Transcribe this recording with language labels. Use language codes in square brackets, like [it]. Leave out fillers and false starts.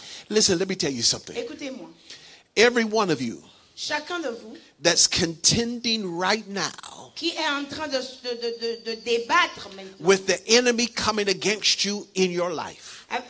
[en] Listen, let me tell you something. [fr] Écoutez-moi. [en] Every one of you [fr] chacun de vous [en] that's contending right now [fr] qui est en train de débattre maintenant [en] with the enemy coming against you in your life